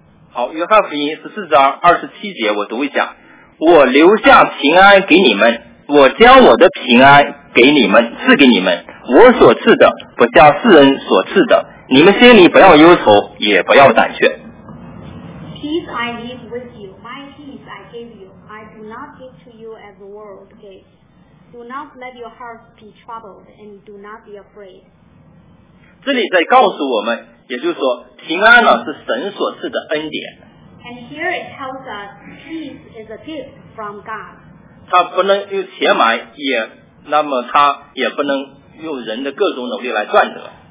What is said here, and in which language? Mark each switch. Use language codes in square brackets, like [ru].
[zh] 好，约翰福音十四章二十七节，我读一下。我留下平安给你们，我将我的平安给你们，赐给你们。我所赐的，不像世人所赐的。你们心里不要忧愁，也不要胆怯。 [en] Peace I leave with you, my peace I give you. I do not give to you as the world gives. Do not let your hearts be troubled, and do not be afraid. [zh] 这里在告诉我们，也就是说，平安呢是神所赐的恩典。 [en] And here it tells us peace is a gift from God. [zh] 它不能用钱买，也那么它也不能用人的各种努力来赚得。